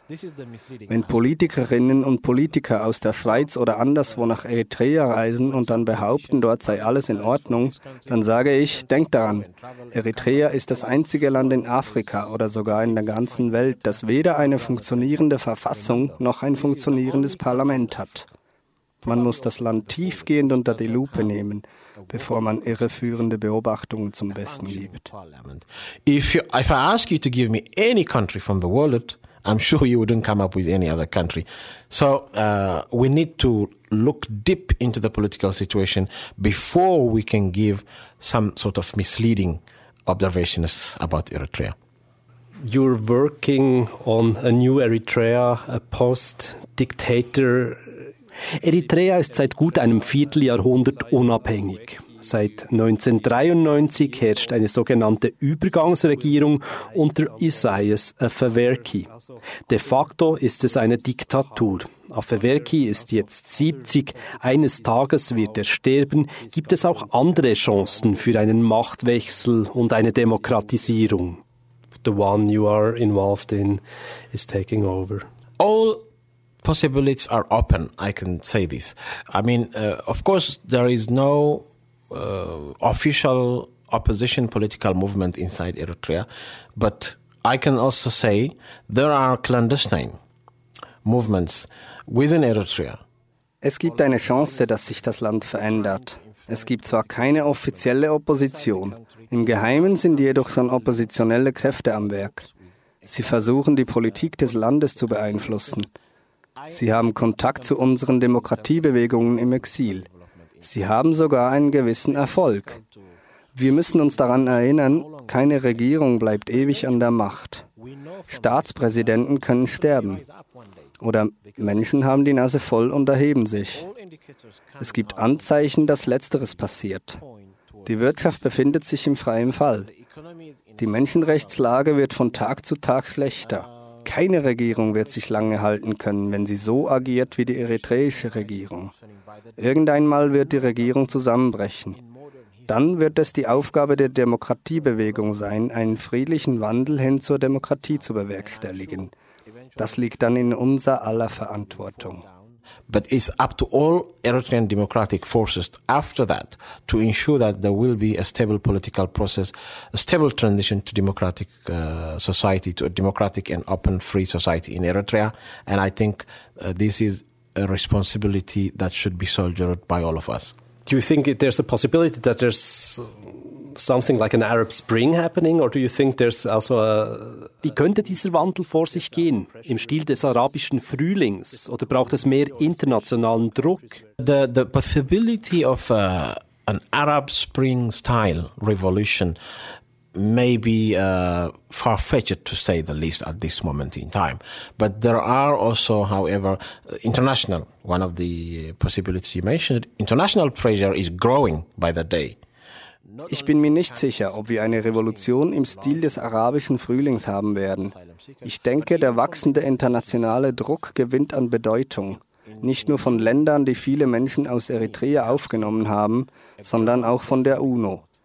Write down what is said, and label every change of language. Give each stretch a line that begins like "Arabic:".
German: Wenn Politikerinnen und Politiker aus der Schweiz oder anderswo nach Eritrea reisen und dann behaupten, dort sei alles in Ordnung, dann sage ich, denk daran, Eritrea ist das einzige Land in Afrika oder sogar in der ganzen Welt, das weder eine funktionierende Verfassung noch ein funktionierendes Parlament hat. Man muss das Land tiefgehend unter die Lupe nehmen, bevor man irreführende Beobachtungen zum Besten gibt.
English: If I ask you to give me any country from the world, I'm sure you wouldn't come up with any other country. So we need to look deep into the political situation before we can give some sort of misleading observations about Eritrea. You're working on a new Eritrea, a post-dictator.
German: Eritrea ist seit gut einem Vierteljahrhundert unabhängig. Seit 1993 herrscht eine sogenannte Übergangsregierung unter Isaias Afewerki. De facto ist es eine Diktatur. Afewerki ist jetzt 70, eines Tages wird er sterben. Gibt es auch andere Chancen für einen Machtwechsel und eine Demokratisierung?
English: The one you are involved in is taking over. All possibilities are open, I can say this. I mean, of course, there is no official opposition political movement inside Eritrea, but I can also say there are clandestine movements within Eritrea.
German: Es gibt eine Chance, dass sich das Land verändert. Es gibt zwar keine offizielle Opposition, im Geheimen sind jedoch schon oppositionelle Kräfte am Werk. Sie versuchen, die Politik des Landes zu beeinflussen. Sie haben Kontakt zu unseren Demokratiebewegungen im Exil. Sie haben sogar einen gewissen Erfolg. Wir müssen uns daran erinnern, keine Regierung bleibt ewig an der Macht. Staatspräsidenten können sterben. Oder Menschen haben die Nase voll und erheben sich. Es gibt Anzeichen, dass Letzteres passiert. Die Wirtschaft befindet sich im freien Fall. Die Menschenrechtslage wird von Tag zu Tag schlechter. Keine Regierung wird sich lange halten können, wenn sie so agiert wie die eritreische Regierung. Irgendeinmal wird die Regierung zusammenbrechen. Dann wird es die Aufgabe der Demokratiebewegung sein, einen friedlichen Wandel hin zur Demokratie zu bewerkstelligen. Das liegt dann in unser aller Verantwortung.
English: But it's up to all Eritrean democratic forces after that to ensure that there will be a stable political process, a stable transition to democratic society, to a democratic and open free society in Eritrea. And I think this is a responsibility that should be shouldered by all of us. Do you think there's a possibility that there's something like an Arab Spring happening, or do you think there's also a...
German: Wie könnte dieser Wandel vor sich gehen? Im Stil des arabischen Frühlings? Oder braucht es mehr internationalen Druck?
English: The possibility of an Arab Spring-style revolution may be far-fetched, to say the least, at this moment in time. But there are also, however, international, one of the possibilities you mentioned, international pressure is growing by the day.
German: Ich bin mir nicht sicher, ob wir eine Revolution im Stil des arabischen Frühlings haben werden. Ich denke, der wachsende internationale Druck gewinnt an Bedeutung. Nicht nur von Ländern, die viele Menschen aus Eritrea aufgenommen haben, sondern auch von der UNO.